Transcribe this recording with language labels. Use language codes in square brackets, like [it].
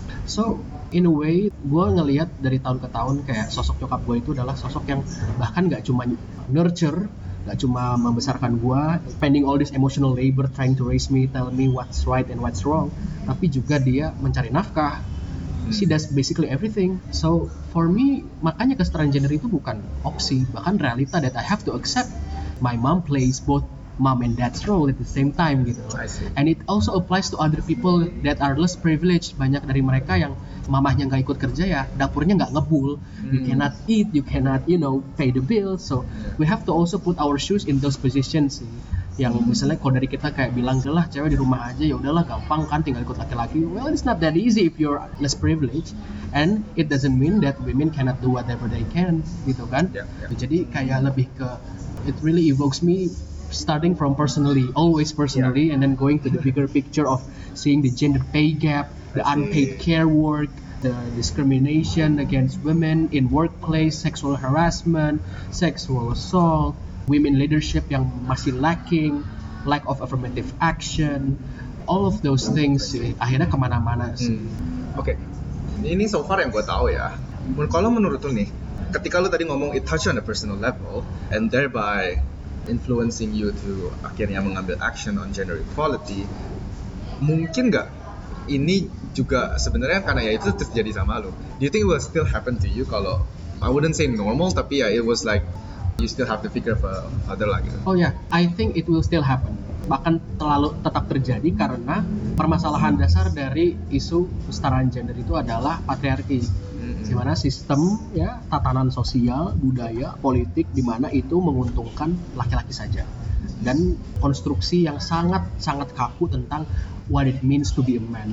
[en] So in a way [id] gua ngelihat dari tahun ke tahun kayak sosok nyokap gua itu adalah sosok yang bahkan gak cuma nurture, gak cuma membesarkan gua, [en] spending all this emotional labor trying to raise me, tell me what's right and what's wrong, [id] tapi juga dia mencari nafkah. [en] She does basically everything. So for me, [id] makanya kesetaraan gender itu bukan opsi, bahkan realita [en] that I have to accept. My mom plays both mom and dad's role at the same time [id] gitu. [en] And it also applies to other people that are less privileged. [id] Banyak dari mereka yang mamahnya gak ikut kerja ya, dapurnya gak ngebul. [en] You cannot eat, you cannot, you know, pay the bill. So we have to also put our shoes in those positions. [id] yang misalnya kalau dari kita kayak bilang lah cewek di rumah aja ya udahlah gampang kan tinggal ikut laki-laki. [en] Well, it's not that easy if you're less privileged, and it doesn't mean that women cannot do whatever they can, [id] gitu kan? [en] Yeah, yeah. [id] Jadi kayak lebih ke [en] it really evokes me starting from personally, always personally, yeah. And then going to the bigger picture of seeing the gender pay gap, the unpaid care work, the discrimination against women in workplace, sexual harassment, sexual assault, women leadership [id] yang masih [en] lacking, lack of affirmative action, all of those things [id] akhirnya kemana-mana sih. Oke, okay. Ini so far yang gue tahu ya. Kalau menurut lu nih, ketika lu tadi ngomong [en] it touch on a personal level and thereby influencing you to [id] akhirnya mengambil [en] action on gender equality, [id] mungkin nggak ini juga sebenarnya karena ya itu terjadi sama lu. [en] Do you think it will still happen to you [id] kalau [en] I wouldn't say normal [id] tapi ya [en] it was like you still have the figure of a father [id] lah gitu. [en] Oh yeah, I think it will still happen. [id] Bahkan terlalu tetap terjadi karena permasalahan dasar dari isu kesetaraan gender itu adalah patriarki. Mm-hmm. Di mana sistem ya, tatanan sosial, budaya, politik di mana itu menguntungkan laki-laki saja. Dan konstruksi yang sangat-sangat kaku tentang [en] what it means to be a man.